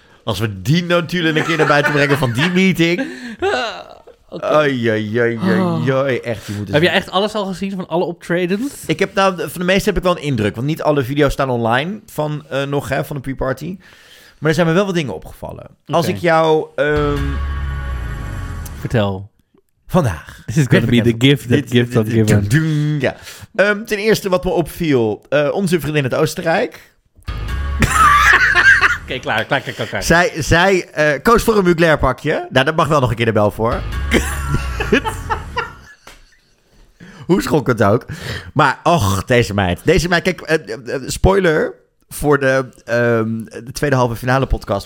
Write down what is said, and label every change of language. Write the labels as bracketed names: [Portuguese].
[Dutch] Als we die notulen een keer naar buiten brengen van die meeting. Oei, echt. Je moet heb je echt alles al gezien van alle optredens? Ik heb nou, van de meeste heb ik wel een indruk. Want niet alle video's staan online van nog hè, van de pre-party. Maar er zijn me wel wat dingen opgevallen. Okay. Als ik jou... Vertel. Vandaag. [English] This is going to be the gift that gives on given. [Dutch] Ja. Ten eerste wat me opviel. Onze vriendin uit Oostenrijk. Oké, klaar, klaar, klaar, klaar. Zij koos voor een Mugler pakje. Nou, dat mag wel nog een keer de bel voor. Hoe schokkend ook. Maar, och, deze meid. Deze meid, kijk, spoiler voor de tweede halve finale podcast.